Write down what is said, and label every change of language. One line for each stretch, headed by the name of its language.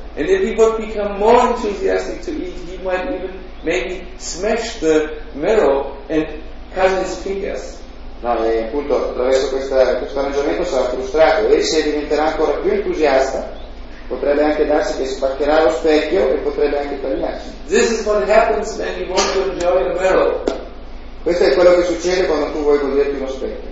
English: And if he would become more enthusiastic to eat, he might even maybe smash the mirror and cut his fingers.
Italian: No, e appunto attraverso questo arrangiamento sarà frustrato e se diventerà ancora più entusiasta potrebbe anche darsi che spaccherà lo specchio e potrebbe anche tagliarsi.
English: This is what happens when you want to enjoy the mirror.
Italian: Questo è quello che succede quando tu vuoi goderti uno specchio.